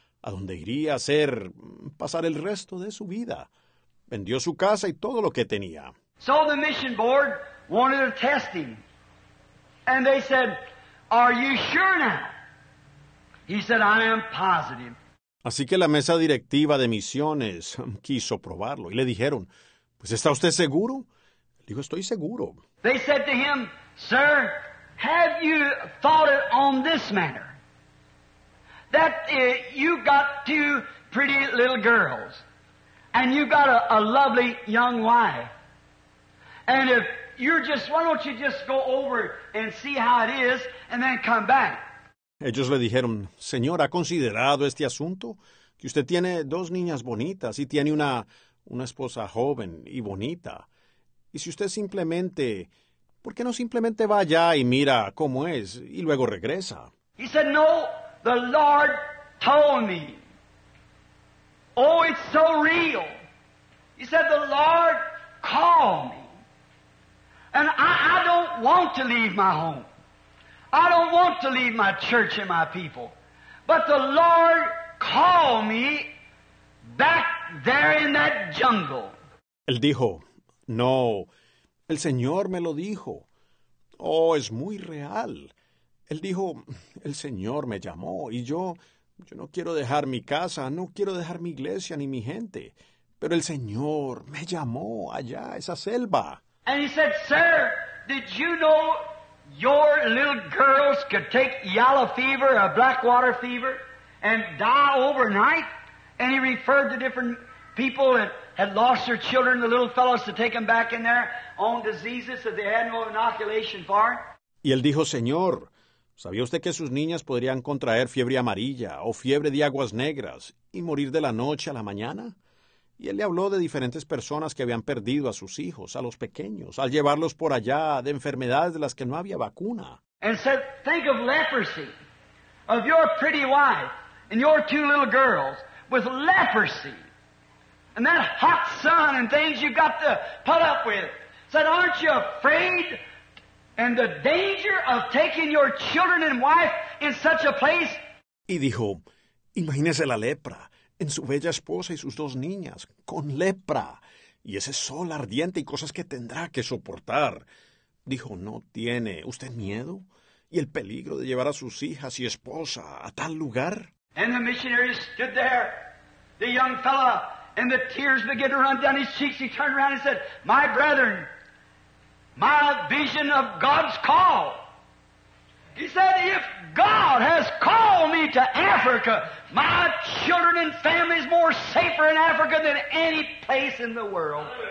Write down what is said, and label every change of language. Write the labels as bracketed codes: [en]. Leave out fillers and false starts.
[es] A donde iría a ser pasar el resto de su vida. Vendió su casa y todo lo que tenía. [en] So the mission board wanted to test him. And they said, are you sure now? He said, I am positive. [es] Así que la mesa directiva de misiones quiso probarlo. Y le dijeron, pues ¿está usted seguro? Dijo, estoy seguro. [en] They said to him, sir, have you thought it on this manner? That you got two pretty little girls, and you got a lovely young wife. And if you're just, why don't you just go over and see how it is, and then come back? [es] Ellos le dijeron, «Señor, ¿ha considerado este asunto? Que usted tiene dos niñas bonitas y tiene una esposa joven y bonita. Y si usted simplemente, ¿por qué no simplemente va allá y mira cómo es y luego regresa?» [en] He said, no, the Lord told me. Oh, it's so real. He said, the Lord called me. And I don't want to leave my home. I don't want to leave my church and my people. But the Lord called me back there in that jungle. [es] Él dijo, no, el Señor me lo dijo. Oh, es muy real. Él dijo, el Señor me llamó y yo no quiero dejar mi casa, no quiero dejar mi iglesia ni mi gente, pero el Señor me llamó allá, a esa selva. [en] And he said, sir, did you know your little girls could take yellow fever or black water fever and die overnight? And he referred to different people that had lost their children, the little fellows, to take them back in there on diseases that they had no inoculation for. [es] Y él dijo, Señor, ¿sabía usted que sus niñas podrían contraer fiebre amarilla o fiebre de aguas negras y morir de la noche a la mañana? Y él le habló de diferentes personas que habían perdido a sus hijos, a los pequeños, al llevarlos por allá, de enfermedades de las que no había vacuna. [en] And said, think of leprosy, of your pretty wife and your two little girls with leprosy, and that hot sun and things you've got to put up with. Said, aren't you afraid? And the danger of taking your children and wife in such a place. [es] Y dijo, imagínese la lepra en su bella esposa y sus dos niñas con lepra y ese sol ardiente y cosas que tendrá que soportar. Dijo, ¿no tiene usted miedo y el peligro de llevar a sus hijas y esposa a tal lugar? [en] And the missionary stood there, the young fella, and the tears began to run down his cheeks. He turned around and said, my brethren, my vision of God's call. He said, if God has called me to Africa, my children and family is more safer in Africa than any place in the world.